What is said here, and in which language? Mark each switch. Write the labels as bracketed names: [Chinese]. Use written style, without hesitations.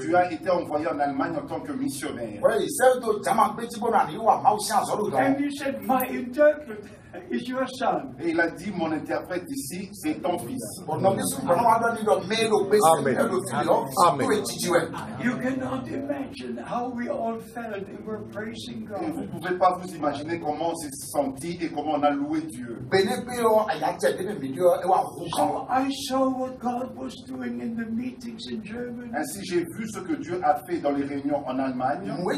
[French] Tu as été envoyé en Allemagne en tant que missionnaire. Et [English] you said, my interpreter. Is your son. [French] Et il a dit, mon interprète ici, c'est ton fils. [English] Amen. You cannot imagine how we all felt and were praising God. [French] Et vous ne pouvez pas vous imaginer comment on s'est senti et comment on a loué Dieu. [English] So I saw what God was doing in the meetings in Germany. [French] Ainsi, j'ai vu ce que Dieu a fait dans les réunions en Allemagne.